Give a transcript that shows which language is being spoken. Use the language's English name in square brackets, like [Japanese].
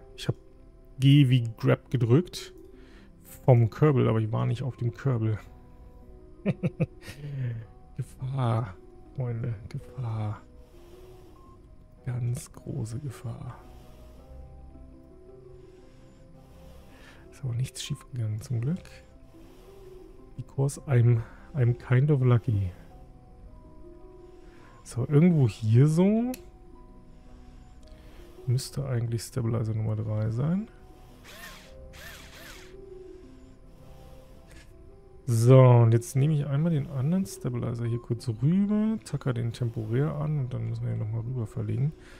[German] Ich habe G wie Grab gedrückt vom Kurbel, aber ich war nicht auf dem Kurbel. Gefahr, Freunde. Gefahr. Ganz große Gefahr. Aber nichts schief gegangen zum Glück. [English] Because I'm kind of lucky. [German] So, irgendwo hier so müsste eigentlich Stabilizer Nummer 3 sein. So, und jetzt nehme ich einmal den anderen Stabilizer hier kurz rüber, tacker den temporär an und dann müssen wir ihn nochmal rüber verlegen.